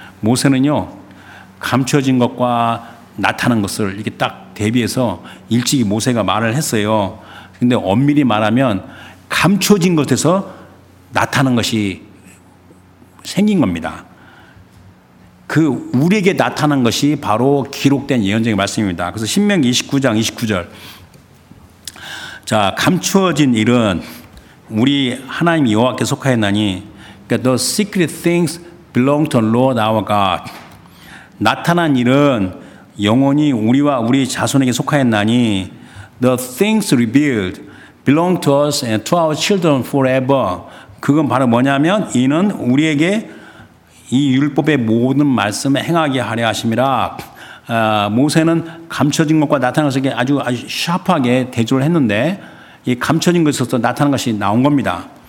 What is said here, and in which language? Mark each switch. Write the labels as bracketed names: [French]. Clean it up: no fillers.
[Korean] 모세는요, 감춰진 것과 나타난 것을 이렇게 딱 대비해서 일찍이 모세가 말을 했어요. 그런데 엄밀히 말하면 감춰진 것에서 나타난 것이 생긴 겁니다. 그 우리에게 나타난 것이 바로 기록된 예언적인 말씀입니다. 그래서 신명기 29장 29절. 자, 감추어진 일은 우리 하나님 여호와께 속하였나니 그러니까 [English] the secret things belong to the Lord our God. [Korean] 나타난 일은 영원히 우리와 우리 자손에게 속하였나니 [English] the things revealed belong to us and to our children forever. [Korean] 그건 바로 뭐냐면 이는 우리에게 이 율법의 모든 말씀을 행하게 하려 하심이라. 모세는 감춰진 것과 나타난 것을 아주 샤프하게 대조를 했는데 이 감춰진 것에서 나타난 것이 나온 겁니다.